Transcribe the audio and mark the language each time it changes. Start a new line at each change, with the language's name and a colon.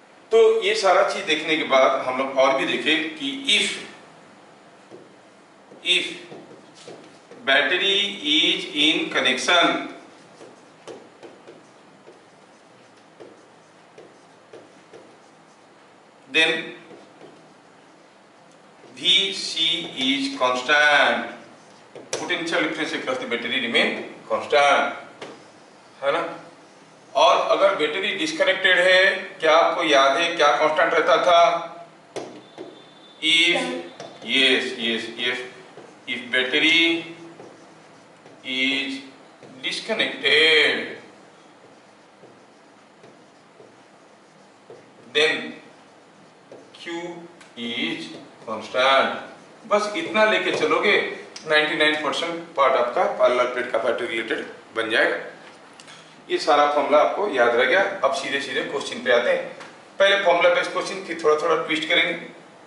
Hindi: तो ये सारा चीज देखने के बाद हम लोग और भी देखें कि
English: if battery is in connection then we see is constant, potential difference across the battery remain constant,
Hindi: है ना। और अगर बैटरी डिस्कनेक्टेड है, क्या आपको याद है क्या कांस्टेंट रहता था,
English: If yes, if battery is disconnected, then Q is constant.
Hindi: बस इतना लेके चलोगे 99% पार्ट आपका पैरेलल प्लेट कैपेसिटर रिलेटेड बन जाएगा। ये सारा फॉर्मूला आपको याद रह गया। अब सीधे सीधे क्वेश्चन पे आते हैं। पहले फॉर्मूला बेस्ड क्वेश्चन की थोड़ा थोड़ा ट्विस्ट करेंगे।